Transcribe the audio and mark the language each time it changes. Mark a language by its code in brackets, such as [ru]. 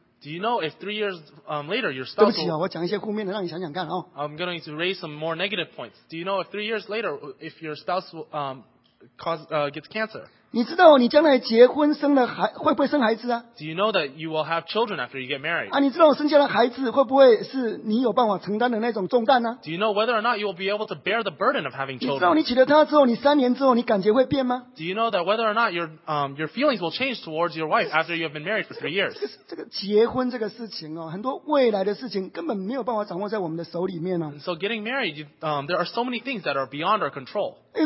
[en] Do you know if 3 years later your spouse will, I'm going to raise some more negative points. Do you know if 3 years later if your spouse will, gets cancer? [zh] 你知道你将来结婚生了孩会不会生孩子啊? [en] Do you know that you will have children after you get married? [zh] 啊,你知道生下的孩子会不会是你有办法承担的那种重担呢? [en] Do you know whether or not you will be able to bear the burden of having children? [zh] 你知道你娶了她之后,你3年之后,你感觉会变吗? [en] Do you know that whether or not your feelings will change towards your wife after you have been married for 3 years? [zh] 这个结婚这个事情哦,很多未来的事情根本没有办法掌握在我们的手里面哦。 [en] So getting married, there are so many things that are beyond our control.